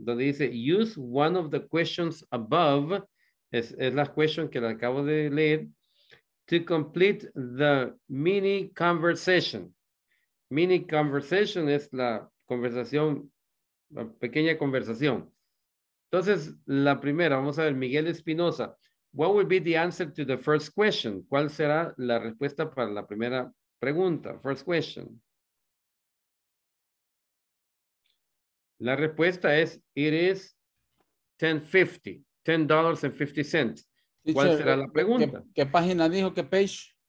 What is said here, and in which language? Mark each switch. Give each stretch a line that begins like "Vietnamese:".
Spanish: Donde dice,
English: use one of the questions above,
Spanish: es la question que le acabo de leer,
English: to complete the mini conversation.
Spanish: Mini conversation es la conversación, la pequeña conversación. Entonces, la primera, vamos a ver, Miguel Espinosa.
English: What would be the answer to the first question?
Spanish: ¿Cuál será la respuesta para la primera pregunta?
English: First question.
Spanish: La respuesta es,
English: it is $10.50.
Spanish: ¿Cuál será la pregunta? ¿Qué página dijo? ¿Qué page?